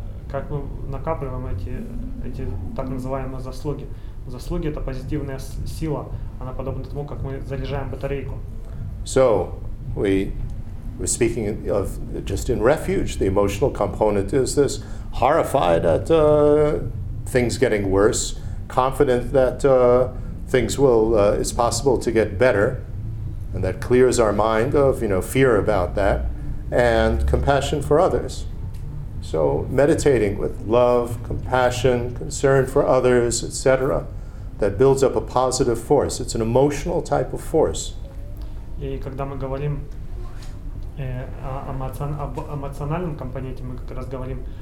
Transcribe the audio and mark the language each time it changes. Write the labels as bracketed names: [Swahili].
[Russian] Как мы накапливаем эти так называемые заслуги? Заслуги — это позитивная сила. Она подобна тому, как мы заряжаем батарейку. [English] So, we're speaking of just in refuge. The emotional component is this: horrified at things getting worse, confident that things will, it's possible to get better, and that clears our mind of, you know, fear about that, and compassion for others. So meditating with love, compassion, concern for others, etc., that builds up a positive force. It's an emotional type of force. [Russian] И когда мы говорим об эмоциональном компоненте, мы как раз говорим